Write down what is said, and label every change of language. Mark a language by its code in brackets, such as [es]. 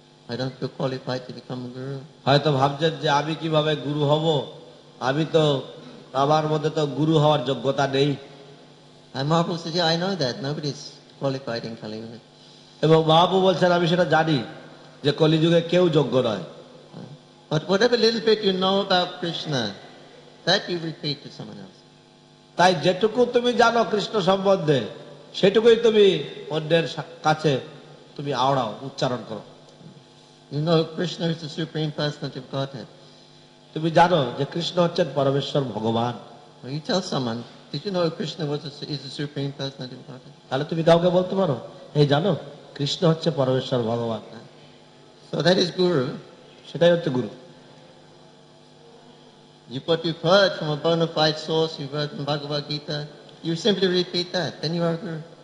[en] I don't feel qualified to become a guru. [bn] হয়তো ভাবছেন যে আমি কিভাবে গুরু হব, আমি তো আমার মধ্যে তো গুরু হওয়ার যোগ্যতা নেই। [en] And Mahaprabhu says, yeah, I know that. Nobody is qualified in Kali Yuga. [bn] এবং মহাপ্রভু বলছেন আমি সেটা জানি যে কলিযুগে কেউ যোগ্য নয়। [en] But whatever little bit you know about Krishna, that you repeat to someone else. [bn] তাই যেটুকু তুমি জানো কৃষ্ণ সম্বন্ধে সেটুকুই তুমি অন্যের কাছে তুমি আওড়াও, উচ্চারণ করো। [en] You know Krishna is the supreme personality of Godhead. [bn] তুমি জানো যে কৃষ্ণ হচ্ছেন পরমেশ্বর ভগবান। [en] You tell someone, did you know Krishna is the supreme personality of Godhead? [bn] তাহলে তুমি কাউকে বলতে পারো, এই জানো কৃষ্ণ হচ্ছে পরমেশ্বর ভগবান। [en] So that is guru. [bn] সেটাই হচ্ছে গুরু। [en] You put your heart from a bona fide source, you've heard from Bhagavad Gita, you simply repeat that, then you are a guru.